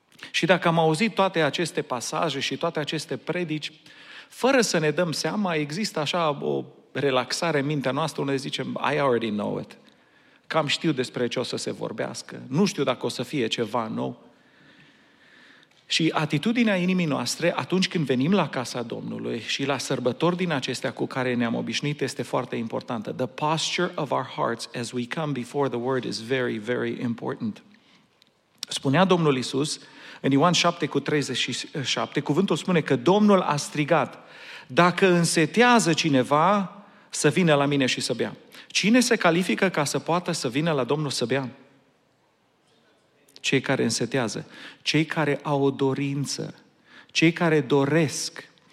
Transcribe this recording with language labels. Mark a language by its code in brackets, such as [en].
[ro] Și dacă am auzit toate aceste pasaje și toate aceste predici, fără să ne dăm seama, există așa o relaxare în mintea noastră, unde zicem, [en] I already know it. [ro] Cam știu despre ce o să se vorbească. Nu știu dacă o să fie ceva nou. Și atitudinea inimii noastre, atunci când venim la casa Domnului și la sărbători din acestea cu care ne-am obișnuit, este foarte importantă. [en] The posture of our hearts as we come before the word is very, very important. [ro] Spunea Domnul Iisus în Ioan 7:37, cuvântul spune că Domnul a strigat: Dacă însetează cineva, să vină la mine și să bea. Cine se califică ca să poată să vină la Domnul să bea? Cei care însetează, cei care au o dorință, cei care doresc.